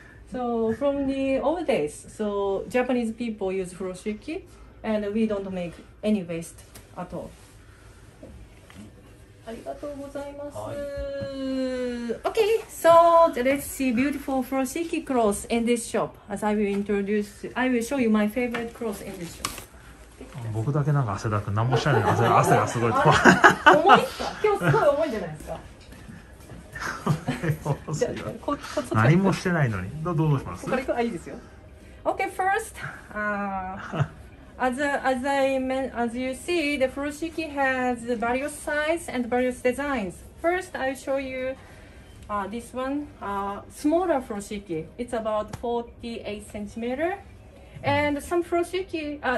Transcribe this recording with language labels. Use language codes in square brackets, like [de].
[en] So from the old days, so Japanese people use furoshiki, and we don't make any waste at all. Okay, so let's see beautiful furoshiki clothes in this shop. As I will introduce, I will show you my favorite clothes in this shop. [ja] 僕だけなんか汗だく、何もしないで汗がすごい。重いっすか？今日すごい重いじゃないですか。何もしてないのに、どうします？これいいですよ。 [en] Okay, first, as you see, the furoshiki has various size and various designs. First, I show you this one, smaller furoshiki. It's about 48 centimeter, and some furoshiki.